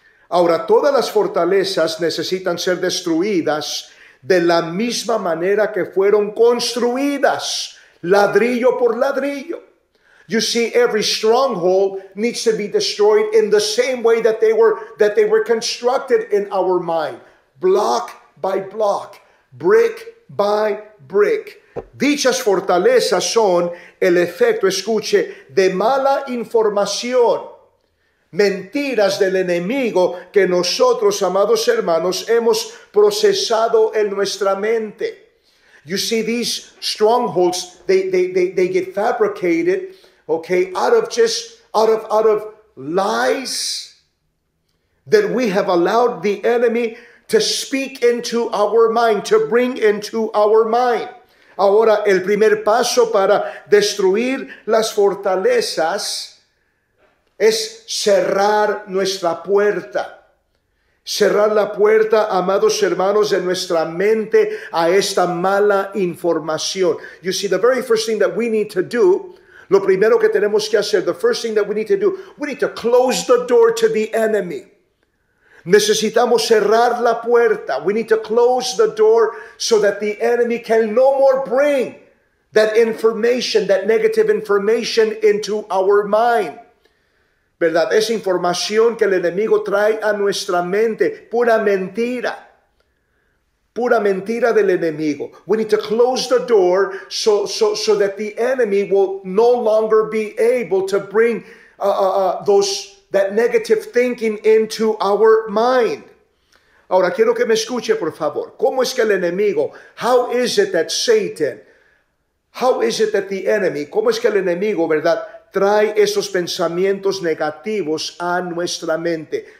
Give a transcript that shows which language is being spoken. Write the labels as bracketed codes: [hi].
[es] Ahora, todas las fortalezas necesitan ser destruidas de la misma manera que fueron construidas, ladrillo por ladrillo. [en] You see, every stronghold needs to be destroyed in the same way that they were constructed in our mind, block by block, brick by brick. [es] Dichas fortalezas son el efecto, escuche, de mala información, mentiras del enemigo que nosotros, amados hermanos, hemos procesado en nuestra mente. [en] You see, these strongholds, they get fabricated, okay, out of lies that we have allowed the enemy to speak into our mind, to bring into our mind. [es] Ahora, el primer paso para destruir las fortalezas es cerrar nuestra puerta. Cerrar la puerta, amados hermanos, de nuestra mente a esta mala información. [en] You see, the very first thing that we need to do, [es] lo primero que tenemos que hacer, [en] the first thing that we need to do, we need to close the door to the enemy. [es] Necesitamos cerrar la puerta. [en] We need to close the door so that the enemy can no more bring that information, that negative information into our mind. [es] ¿Verdad? Esa información que el enemigo trae a nuestra mente, pura mentira. Pura mentira del enemigo. [en] We need to close the door so that the enemy will no longer be able to bring that negative thinking into our mind. [es] Ahora, quiero que me escuche, por favor. ¿Cómo es que el enemigo, [en] how is it that Satan, how is it that the enemy, [es] cómo es que el enemigo, verdad, trae esos pensamientos negativos a nuestra mente?